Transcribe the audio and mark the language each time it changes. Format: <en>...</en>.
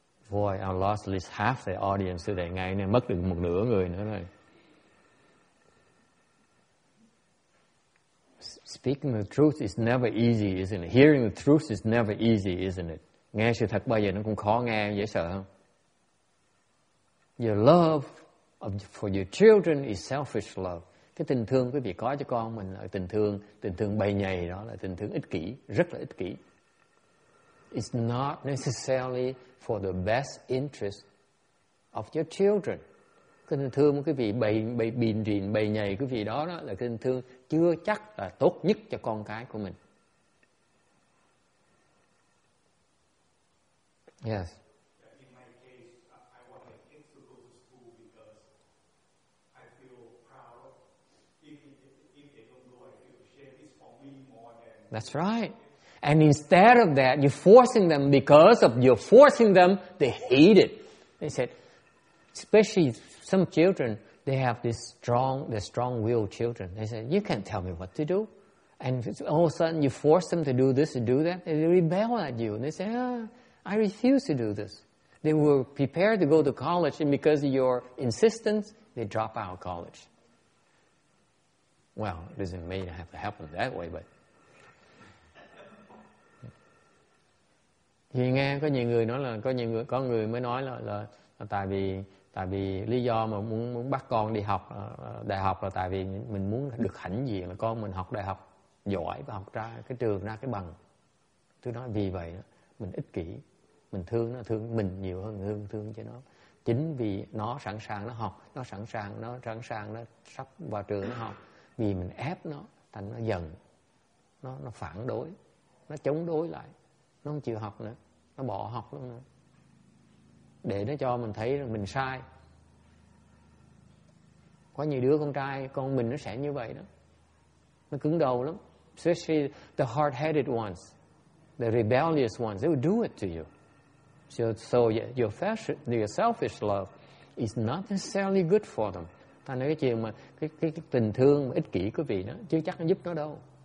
<en>Boy, I lost at least half the audience today.</en> <vi>Ngày nay mất được một nửa người nữa rồi.</vi> <en>Speaking the truth is never easy, isn't it? Hearing the truth is never easy, isn't it?</en> <vi>Nghe sự thật bao giờ nó cũng khó nghe, dễ sợ không?</vi> <en>Your love for your children is selfish love.</en> <vi>Cái tình thương quý vị có cho con mình là tình thương bầy nhầy, đó là tình thương ích kỷ, rất là ích kỷ.</vi> <en>It's not necessarily for the best interest of your children.</en> <vi>Cái tình thương quý vị bầy nhầy quý vị đó là tình thương chưa chắc là tốt nhất cho con cái của mình.</vi> <en>Yes. That's right. And instead of that, you're forcing them because of you're forcing them, they hate it. They said, especially some children, they have this strong, they're strong-willed children. They said, you can't tell me what to do. And all of a sudden, you force them to do this and do that, and they rebel at you. And they say, I refuse to do this. They were prepared to go to college, and because of your insistence, they drop out of college. Well, it doesn't mean it have to happen that way, but</en> <vi>thì nghe có nhiều người nói là có người mới nói là tại vì Tại vì lý do mà muốn bắt con đi học đại học là tại vì mình muốn được hãnh diện là con mình học đại học giỏi và học ra cái trường ra cái bằng. Tôi nói vì vậy đó, mình ích kỷ, mình thương nó, thương mình nhiều hơn thương cho nó. Chính vì nó sẵn sàng nó học, nó sẵn sàng nó sắp vào trường nó học, vì mình ép nó thành nó giận, nó phản đối, nó chống đối lại, nó không chịu học nữa, nó bỏ học luôn nữa. Để nó cho mình thấy rằng mình sai. Có nhiều đứa con trai con mình nó sẽ như vậy đó. Nó cứng đầu lắm.</vi> <en>Especially the hard-headed ones, the rebellious ones, they will do it to you. So your selfish love is not necessarily good for them.</en> <vi>Thành ra cái chuyện mà cái tình thương mà ích kỷ của vị nó chưa chắc nó giúp nó đâu.</vi>